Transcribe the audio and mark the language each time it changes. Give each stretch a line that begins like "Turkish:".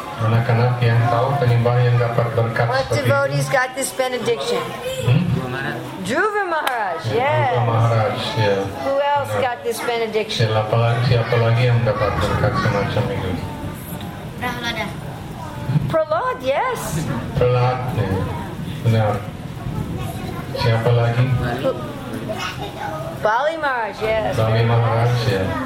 Indonesian: Anak-anak yang tahu penyembah yang dapat berkat.
English: What devotees got this benediction? Dhruva Maharaj. Yes. Dhruva Maharaj. Yeah. Who else got this benediction?
Indonesian: Siapa lagi yang dapat berkat semacam itu?
English: Prahlada. Prahlad. Yes.
Indonesian: Prahlad. Yeah. Benar. Siapa lagi?
English: Bali Maharaj, yes. Bali Maharaj, yeah.